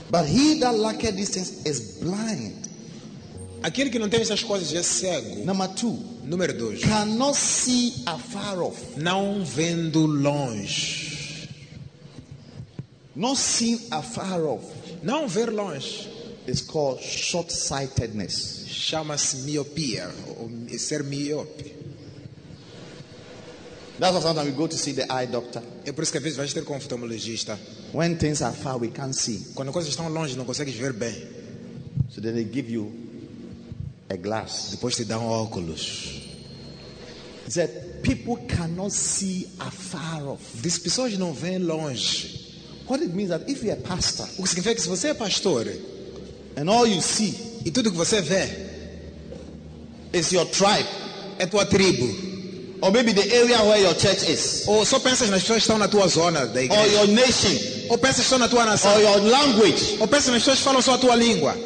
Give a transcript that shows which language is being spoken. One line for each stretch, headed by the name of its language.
English: but he that lacketh these things is blind.
Portuguese: Aquele que não tem essas coisas é cego.
English: Number two,
Portuguese: número dois,
English: cannot see afar off.
Portuguese: Não vendo longe.
English: Not seeing afar off.
Portuguese: Não ver longe.
English: It's called short-sightedness.
Portuguese: Chama-se miopia ou ser miope."
English: That's why sometimes we go to see the eye doctor.
Portuguese: É por isso que às vezes vai ter com um oftalmologista.
English: When things are far, we can't see.
Portuguese: Quando coisas estão longe, não consegues ver bem.
English: So then they give you a glass.
Portuguese: Depois te dão óculos.
English: He said, people cannot see afar off.
Portuguese: These pessoas não veem longe.
English: What it means that if you're a pastor,
Portuguese: o que significa que se você é pastor,
English: and all you see,
Portuguese: e tudo que você vê,
English: is your tribe,
Portuguese: é tua tribo.
English: Or maybe the area where your church is.
Portuguese: Ou só pensas nas pessoas que estão na tua zona da igreja.
English: Or your nation.
Portuguese: Ou pensas que estão na tua nação.
English: Or your language.
Portuguese: Ou pensas nas pessoas que falam só a tua língua.